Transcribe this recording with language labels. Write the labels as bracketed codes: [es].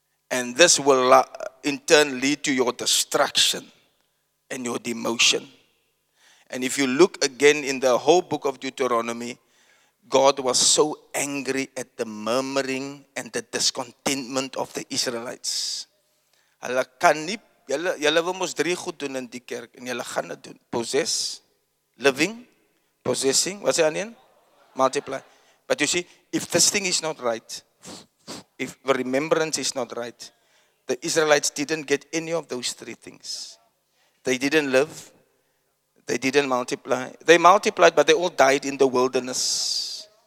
[en] And this will in turn lead to your destruction and your demotion. And if you look again in the whole book of Deuteronomy, God was so angry at the murmuring and the discontentment of the Israelites. [af] Hulle kan nie, julle wil mos drie goed doen in die kerk en julle gaan dit doen. [en] Possess, living, possessing, what's the onion? Multiply. But you see, if this thing is not right, if remembrance is not right, the Israelites didn't get any of those three things. They didn't live. They didn't multiply. They multiplied, but they all died in the wilderness.